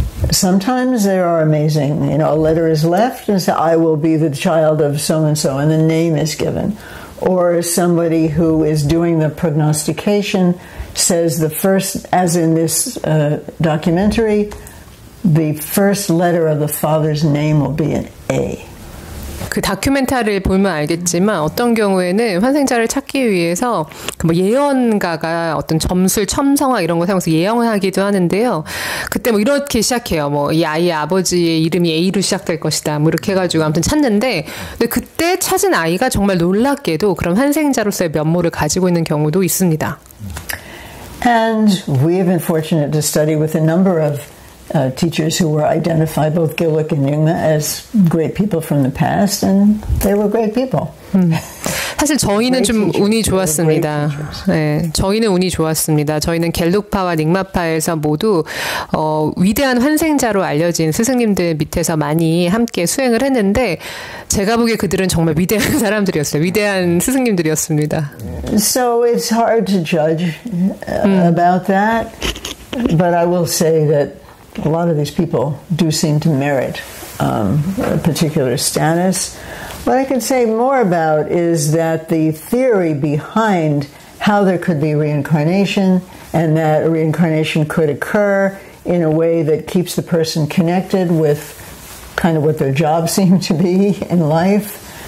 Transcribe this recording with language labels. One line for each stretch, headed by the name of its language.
English: Sometimes there are amazing, you know, a letter is left and says, I will be the child of so-and-so, and the name is given. Or somebody who is doing the prognostication says the first, as in this documentary, the first letter of the father's name will be an A.
Korean: 그 다큐멘터리를 보면 알겠지만 어떤 경우에는 환생자를 찾기 위해서 뭐 예언가가 어떤 점술, 첨성화 이런 거 사용해서 예언을 하기도 하는데요. 그때 뭐 이렇게 시작해요. 뭐 이 아이의 아버지의 이름이 A로 시작될 것이다. 뭐 이렇게 해가지고 아무튼 찾는데 근데 그때 찾은 아이가 정말 놀랍게도 그런 환생자로서의 면모를 가지고 있는 경우도 있습니다.
English: And we've been fortunate to study with a number of teachers who were identified both Gillick and Jungma as great people from the past, and they were great people.
Korean: 사실 저희는 좀 운이 좋았습니다. 네, 저희는 운이 좋았습니다. 저희는 갤룩파와 닝마파에서 모두 위대한 환생자로 알려진 스승님들 밑에서 많이 함께 수행을 했는데 제가 보기에 그들은 정말 위대한 사람들이었어요. 위대한 스승님들이었습니다.
English: So it's hard to judge about that, but I will say that a lot of these people do seem to merit a particular status. What I can say more about is that the theory behind how there could be reincarnation and that reincarnation could occur in a way that keeps the person connected with kind of what their job seemed to be in life.